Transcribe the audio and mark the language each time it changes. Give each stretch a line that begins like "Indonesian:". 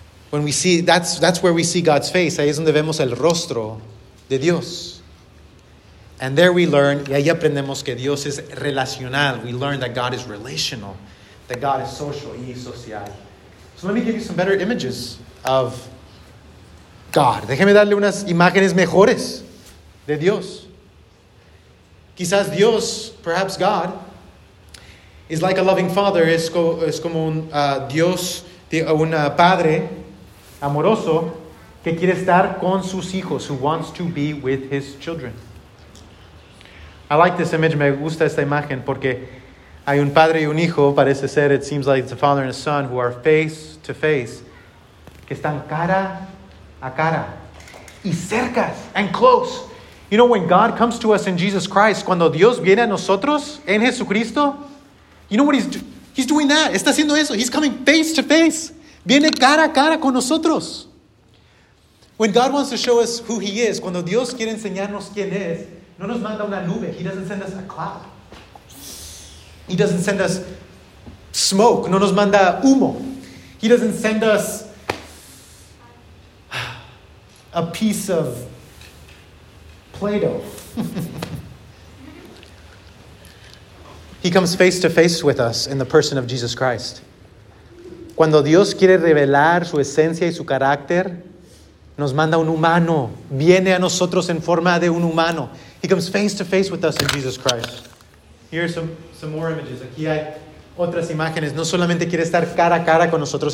English: When we see, that's where we see God's face.
Spanish: Ahí es donde vemos el rostro de Dios.
English: And there we learn,
Spanish: y ahí aprendemos que Dios es relacional.
English: We learn that God is relational, that God is social y social. So let me give you some better images of God.
Spanish: Déjeme darle unas imágenes mejores de Dios. Quizás Dios,
English: perhaps God, is like a loving father.
Spanish: Es como un Dios, un padre amoroso que quiere estar con sus hijos,
English: who wants to be with his children. I like this image.
Spanish: Me gusta esta imagen porque hay un padre y un hijo. Parece ser,
English: it seems like it's a father and a son who are face to face,
Spanish: que están cara a cara y cercas
English: and close. You know, when God comes to us in Jesus Christ,
Spanish: cuando Dios viene a nosotros en Jesucristo,
English: you know what he's doing that.
Spanish: Está haciendo eso.
English: He's coming face to face.
Spanish: Viene cara a cara con nosotros.
English: When God wants to show us who he is,
Spanish: cuando Dios quiere enseñarnos quién es, no nos manda una nube.
English: He doesn't send us a cloud. He doesn't send us smoke.
Spanish: No nos manda humo.
English: He doesn't send us a piece of Plato. He comes face to face with us in the person of Jesus Christ.
Spanish: Cuando Dios quiere revelar su esencia y su carácter, nos manda un humano. Viene a nosotros en forma de un humano.
English: He comes face to face with us in Jesus Christ. Here are some more images.
Spanish: Aquí hay otras imágenes. No solamente quiere estar cara a cara con nosotros.